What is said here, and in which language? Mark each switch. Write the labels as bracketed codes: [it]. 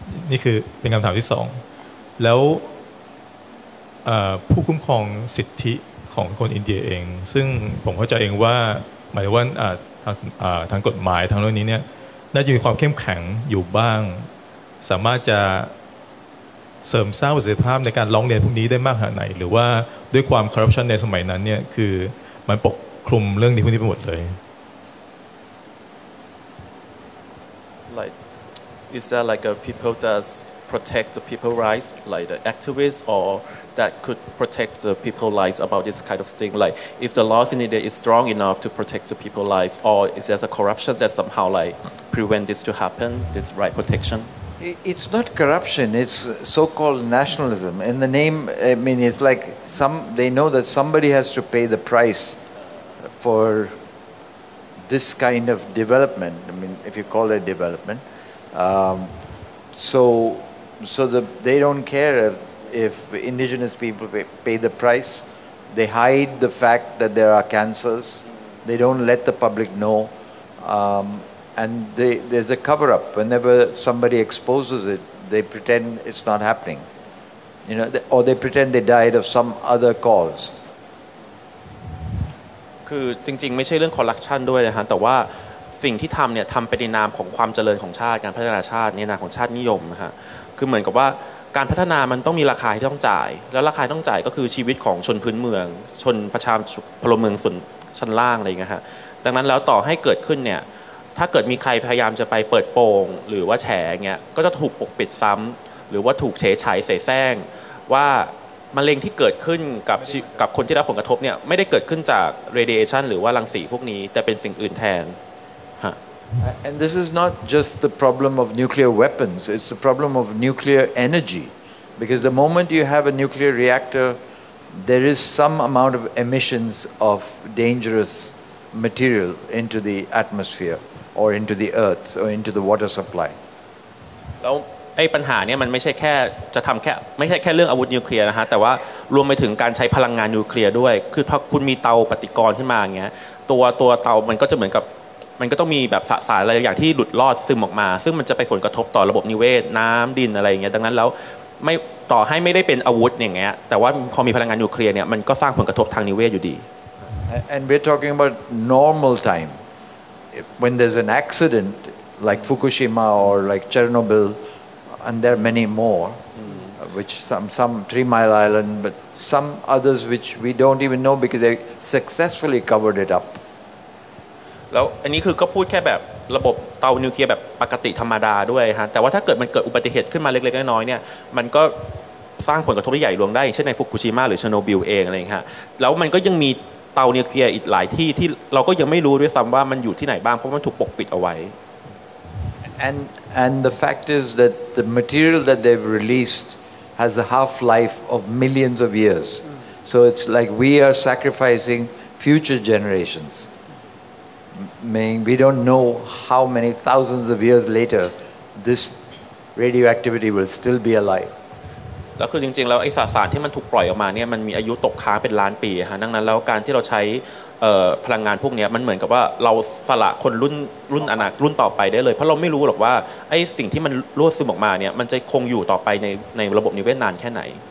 [th] นี่คือเป็นคำถามที่สองแล้วผู้คุ้มครองสิทธิของคนอินเดียเองซึ่งผมเข้าใจเองว่าหมายว่าทางกฎหมายทางเรื่องนี้เนี่ยน่าจะมีความเข้มแข็งอยู่บ้างสามารถจะเสริมสร้างประสิทธิภาพในการร้องเรียนพวกนี้ได้มากขนาดไหนหรือว่าด้วยความคอร์รัปชันในสมัยนั้นเนี่ยคือมันปกคลุมเรื่องนี้พวกนี้ไปหมดเลย [en] Like is there like a people that protect the people rights like the activists or that could protect the people rights about this kind of thing like if the laws in India is strong enough to protect the people rights or is there a corruption that somehow like prevent this to happen this right protection? It's not corruption, it's so-called nationalism. In the name, I mean, it's like they know that somebody has to pay the price for this kind of development, I mean, if you call it development. They don't care if indigenous people pay the price. They hide the fact that there are cancers. They don't let the public know. And there's a cover-up. Whenever somebody exposes it, they pretend it's not happening. You know, or they pretend they died of some other cause. [th] คือจริงๆไม่ใช่เรื่องคอร์รัปชันด้วยนะฮะแต่ว่าสิ่งที่ทำเนี่ยทำไปในนามของความเจริญของชาติการพัฒนาชาติในนามของชาตินิยมนะฮะคือเหมือนกับว่าการพัฒนามันต้องมีราคาที่ต้องจ่ายแล้วราคาต้องจ่ายก็คือชีวิตของชนพื้นเมืองชนประชาพลเมืองส่วนชั้นล่างอะไรเงี้ยฮะดังนั้นแล้วต่อให้เกิดขึ้นเนี่ย ถ้าเกิดมีใครพยายามจะไปเปิดโปงหรือว่าแฉเงี้ยก็จะถูกปกปิดซ้ำหรือว่าถูกเฉยฉายใส่แซงว่ามะเร็งที่เกิดขึ้นกับคนที่รับผลกระทบเนี่ยไม่ได้เกิดขึ้นจากเรเดียชันหรือว่ารังสีพวกนี้แต่เป็นสิ่งอื่นแทนฮะ [en] And this is not just the problem of nuclear weapons it's the problem of nuclear energy because the moment you have a nuclear reactor there is some amount of emissions of dangerous material into the atmosphereor into the earth or into the water supply [th] แล้วไอ้ปัญหาเนี่ยมันไม่ใช่แค่จะทําแค่ไม่ใช่แค่เรื่องอาวุธนิวเคลียร์นะฮะแต่ว่ารวมไปถึงการใช้พลังงานนิวเคลียร์ด้วยคือพอคุณมีเตาปฏิกรณ์ขึ้นมาอย่างเงี้ยตัวเตามันก็จะเหมือนกับมันก็ต้องมีแบบสารอะไรอย่างที่หลุดรอดซึมออกมาซึ่งมันจะไปผลกระทบต่อระบบนิเวศน้ําดินอะไรอย่างเงี้ยดังนั้นแล้วไม่ต่อให้ไม่ได้เป็นอาวุธอย่างเงี้ยแต่ว่าพอมีพลังงานนิวเคลียร์เนี่ยมันก็สร้างผลกระทบทางนิเวศอยู่ดี [en] And we're talking about normal timeWhen there's an accident like Fukushima or like Chernobyl, and there are many more, which some Three Mile Island, but some others which we don't even know because they successfully covered it up. [th] แล้วอันนี้คือก็พูดแค่แบบระบบเตานิวเคลียร์แบบปกติธรรมดาด้วยฮะแต่ว่าถ้าเกิดมันเกิดอุบัติเหตุขึ้นมาเล็กๆน้อยๆเนี่ยมันก็สร้างผลกระทบใหญ่หลวงได้อย่างเช่นในฟุกุชิมะหรือเชโนบิลเองอะไรอย่างเงี้ยแล้วมันก็ยังมีเตานิวเคลียร์อีกหลายที่ที่เราก็ยังไม่รู้ด้วยซ้ําว่ามันอยู่ที่ไหนบ้างเพราะมันถูกปกปิดเอาไว้ [en] and the fact is that the material that they've released has a half life of millions of years so it's like we are sacrificing future generationsMeaning we don't know how many thousands of years later this radioactivity will still be alive. [th] แล้วคือจริงๆแล้วไอสสารที่มันถูกปล่อยออกมาเนี่ยมันมีอายุตกค้างเป็นล้านปีฮะดังนั้นแล้วการที่เราใช้พลังงานพวกนี้มันเหมือนกับว่าเราสละคนรุ่นอนาคตรุ่นต่อไปได้เลยเพราะเราไม่รู้หรอกว่าไอสิ่งที่มันรั่วซึมออกมาเนี่ยมันจะคงอยู่ต่อไปในระบบนิเวศนานแค่ไหน